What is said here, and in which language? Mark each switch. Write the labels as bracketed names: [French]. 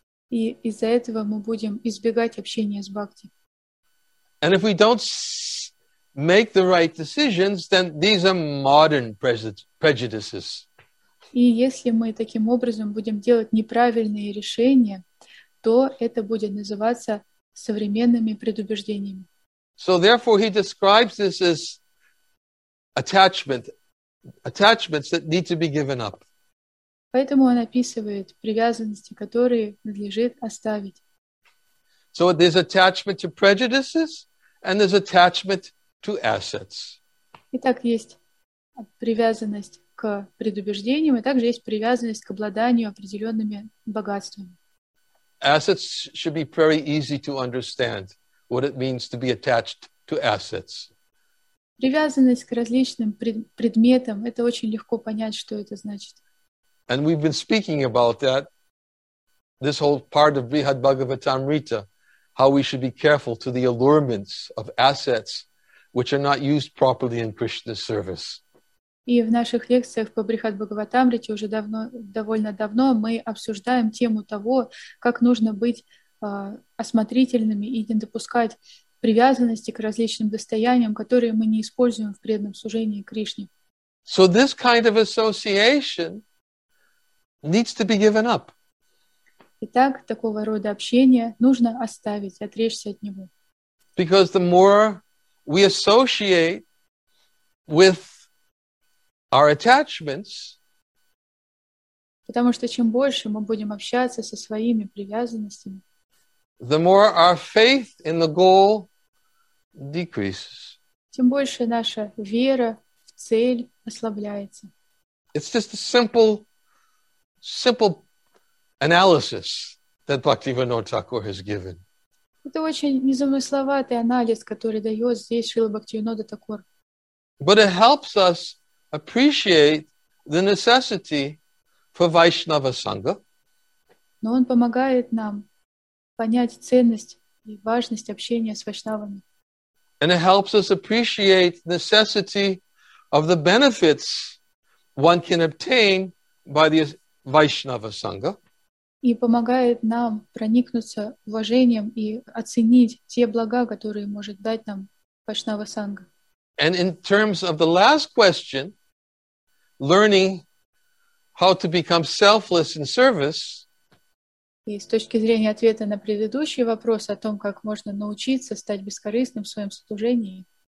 [Russian] И из-за этого мы будем избегать общения с бхакти. [English] And if we don't make the right decisions, then these are modern prejudices. [Russian] И если мы таким образом будем делать неправильные решения, то это будет называться современными предубеждениями. [English] So therefore he describes this as attachments that need to be given up. [Russian] Поэтому он описывает привязанности, которые надлежит оставить. [English] So there's attachment to prejudices and there's attachment to assets. [Russian] Итак, есть привязанность к предубеждениям, и также есть привязанность к обладанию определенными богатствами. [English] Assets should be very easy to understand what it means to be attached to assets. [Russian] Привязанность к различным предметам, это очень легко понять, что это значит. [English] And we've been speaking about that, this whole part of Brihad Bhagavatamrita, how we should be careful to the allurements of assets which are not used properly in Krishna's service. [Russian] И в наших лекциях по Брихад Бхагаватамрите уже довольно давно мы обсуждаем тему того, как нужно быть осмотрительными и не допускать привязанности к различным достояниям, которые мы не используем в преданном служении Кришне. [English] So this kind of association needs to be given up. [Russian] Итак, такого рода общение нужно оставить, отречься от него. [English] Because the more we associate with our attachments, [Russian] потому что чем больше мы будем общаться со своими привязанностями, [English] the more our faith in the goal decreases. [Russian] Тем больше наша вера в цель ослабляется. [English] It's just a simple analysis that Bhaktivinoda Thakur has given. [Russian] Это очень незамысловатый анализ, который дает здесь Шрила Бхактивинода Такур. [English] But it helps us appreciate the necessity for Vaishnava Sangha. [Russian] Но он помогает нам понять ценность и важность общения с вайшнавами. [English] And it helps us appreciate the necessity of the benefits one can obtain by the Vaishnava Sangha. [Russian] И помогает нам проникнуться уважением и оценить те блага, которые может дать нам Вайшнава Санга. [English] And in terms of the last question, learning how to become selfless in service. [Russian] И с точки зрения ответа на предыдущий вопрос о том, как можно научиться стать бескорыстным в своем служении.